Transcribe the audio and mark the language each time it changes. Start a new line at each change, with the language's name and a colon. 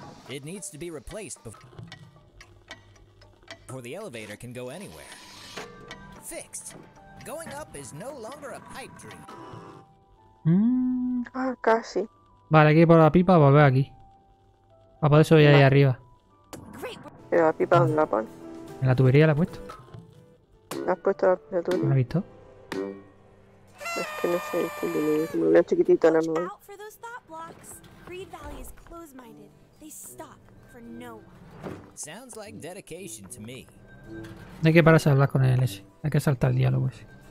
English: It needs to be replaced before the elevator can go anywhere. Fixed. Going up is no longer a pipe dream.
Spanish: Ah, casi. Vale, aquí por la pipa, volver aquí. Va a poder subir ahí arriba. ¿Pero la pipa dónde la pon? En la tubería la he puesto. ¿La has puesto la tubería? ¿La has visto? Es que no sé, es que me veo chiquitito en el momento.
English: Creed Valley is close-minded. They stop for no one. Sounds like dedication to me.
Spanish: Hay que pararse a hablar con él ese. Hay que saltar el diálogo ese.